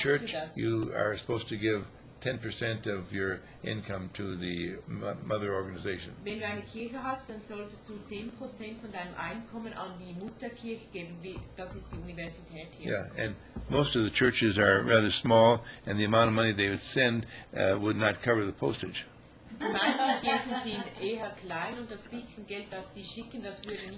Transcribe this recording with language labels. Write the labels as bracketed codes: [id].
[en] a church, you are supposed to give 10% of your income to the mother organization. [de] Wenn du eine Kirche hast, dann solltest du 10% von deinem Einkommen an die Mutterkirche geben. Das ist die Universität hier. [en] Yeah, and most of the churches are rather small, and the amount of money they would send would not cover the postage. [de] Die meisten Raketen sind eher klein und das bisschen Geld, das sie schicken, das würde nicht